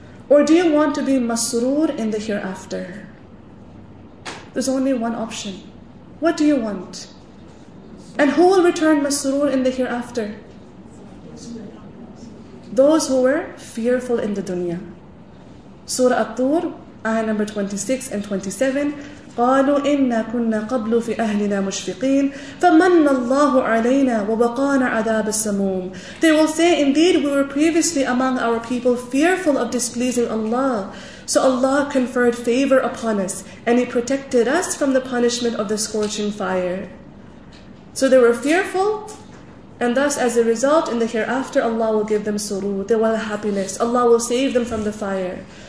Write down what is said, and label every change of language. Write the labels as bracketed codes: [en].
[en] Or do you want to be masroor in the hereafter? There's only one option. What do you want? And who will return masroor in the hereafter? Those who were fearful in the dunya. Surah At-Tur, ayah number 26 and 27. [ar] قالوا إنا كنا قبل في أهلنا مشفقين فمن الله علينا وبقانا عذاب السموم. [en] They will say, indeed we were previously among our people fearful of displeasing Allah, so Allah conferred favor upon us and He protected us from the punishment of the scorching fire. So they were fearful, and thus as a result in the hereafter Allah will give them surur, they will have happiness, Allah will save them from the fire.